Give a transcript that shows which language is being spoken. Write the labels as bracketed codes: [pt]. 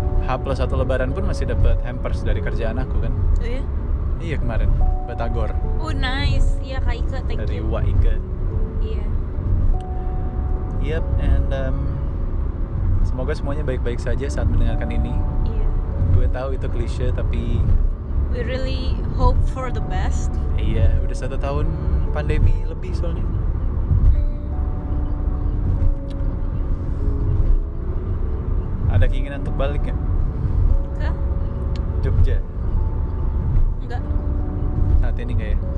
[id] Plus satu lebaran pun masih dapat hampers dari kerjaan aku kan. Oh, iya? Iya kemarin, Batagor. [en] Oh nice, iya Kak Ika, thank [id] dari [en] you. [id] Dari Wak Ika. Iya. [en] Yep, and [id] semoga semuanya baik-baik saja saat mendengarkan ini. Iya. Gue tahu itu klise, tapi [en] we really hope for the best. [id] Iya, udah 1 tahun pandemi lebih soalnya. Ada keinginan untuk balik ya? Ke? Jogja? Enggak. Saat ini enggak ya?